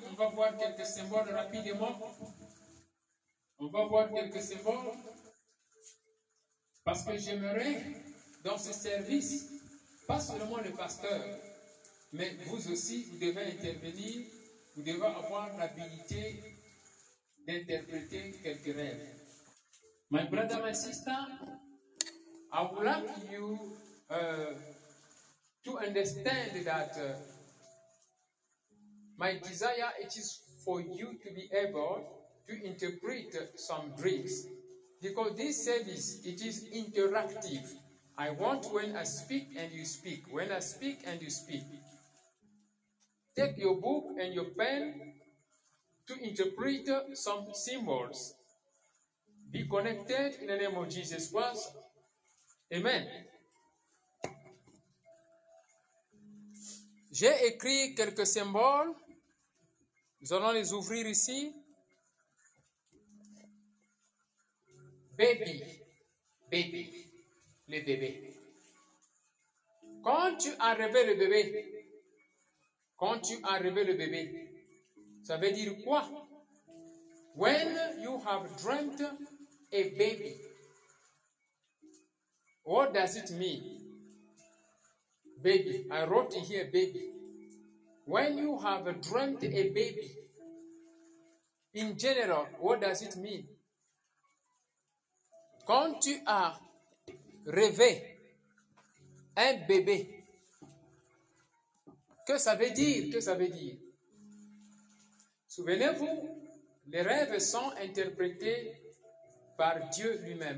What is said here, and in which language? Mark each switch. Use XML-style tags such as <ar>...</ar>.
<fr>On va voir quelques symboles rapidement. On va voir quelques symboles. Parce que j'aimerais, dans ce service, pas seulement le pasteur, mais vous aussi, vous devez intervenir, vous devez avoir l'habilité d'interpréter quelques rêves.</fr> <en>My brother, my sister, I would like you to understand that my desire it is for you to be able to interpret some dreams. Because this service, it is interactive. I want when I speak and you speak, when I speak and you speak. Take your book and your pen to interpret some symbols. Be connected in the name of Jesus Christ. Amen.</en> <fr>J'ai écrit quelques symboles. Nous allons les ouvrir ici. Baby, baby, le bébé. Quand tu as rêvé le bébé, quand tu as rêvé le bébé, ça veut dire quoi?</fr> <en>When you have dreamt a baby, what does it mean? Baby, I wrote here baby. When you have dreamt a baby, in general, what does it mean?</en> <fr>Quand tu as rêvé un bébé, que ça veut dire? Que ça veut dire? Souvenez-vous, les rêves sont interprétés par Dieu lui-même.</fr>